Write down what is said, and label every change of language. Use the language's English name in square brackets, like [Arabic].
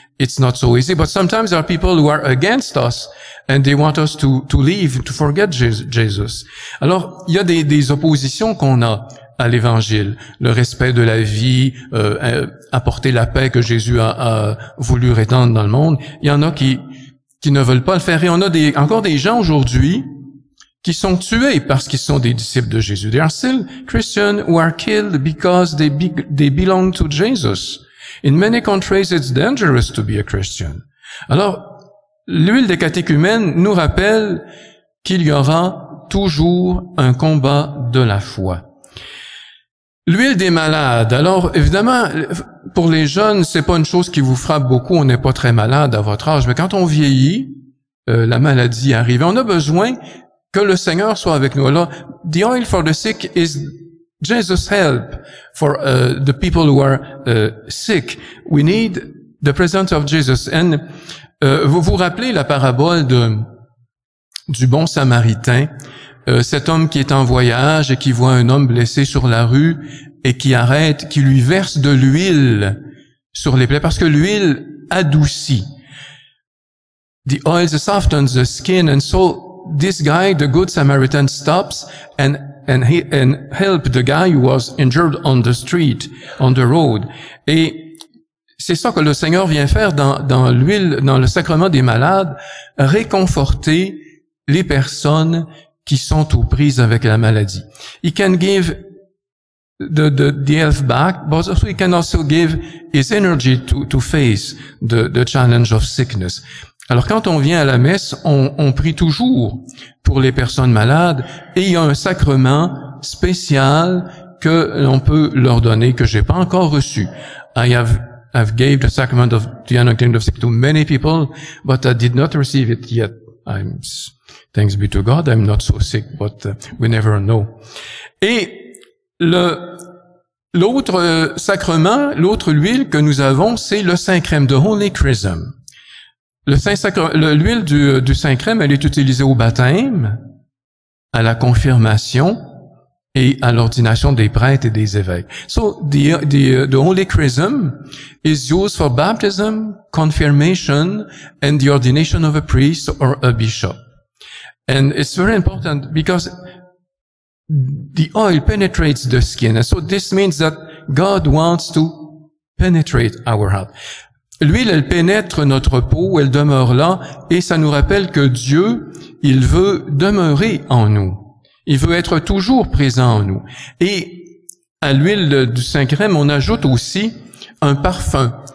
[English] It's not so easy, but sometimes there are people who are against us and they want us to leave, to forget Jesus. [French] Alors, il y a des oppositions qu'on a à l'Évangile. Le respect de la vie, apporter la paix que Jésus a voulu rétendre dans le monde. Il y en a qui ne veulent pas le faire. Et on a encore des gens aujourd'hui qui sont tués parce qu'ils sont des disciples de Jésus. [English] They are still Christians who are killed because they belong to Jesus. In many countries, it's dangerous to be a Christian. [French] Alors, l'huile des catéchumènes nous rappelle qu'il y aura toujours un combat de la foi. L'huile des malades. Alors, évidemment, pour les jeunes, c'est pas une chose qui vous frappe beaucoup. On n'est pas très malade à votre âge. Mais quand on vieillit, la maladie arrive. On a besoin que le Seigneur soit avec nous. [English] Alors, the oil for the sick is Jesus help for the people who are sick. We need the presence of Jesus. [French] And vous vous rappelez la parabole du bon samaritain, cet homme qui est en voyage et qui voit un homme blessé sur la rue et qui arrête, qui lui verse de l'huile sur les plaies parce que l'huile adoucit. [English] The oil softens the skin and so this guy, the good Samaritan, stops and help the guy who was injured on the street, on the road. [French] Et c'est ça que le Seigneur vient faire dans l'huile, dans le sacrement des malades, réconforter les personnes qui sont aux prises avec la maladie. [English] He can give the health back, but also he can also give his energy to face the challenge of sickness. [French] Alors, quand on vient à la messe, on prie toujours pour les personnes malades, et il y a un sacrement spécial que l'on peut leur donner, que j'ai pas encore reçu. [English] I've gave the sacrament of the unclean of sick to many people, but I did not receive it yet. Thanks be to God, I'm not so sick, but we never know. [French] Et l'autre sacrement, l'autre huile que nous avons, c'est le Saint-Crème, the Holy Chrism. L'huile du Saint-Crème, elle est utilisée au baptême, à la confirmation et à l'ordination des prêtres et des évêques. [English] So, the Holy Chrism is used for baptism, confirmation, and the ordination of a priest or a bishop. And it's very important because the oil penetrates the skin. And so this means that God wants to penetrate our heart. [French] L'huile, elle pénètre notre peau, elle demeure là, et ça nous rappelle que Dieu, il veut demeurer en nous. Il veut être toujours présent en nous. Et à l'huile du Saint-Crème, on ajoute aussi un parfum.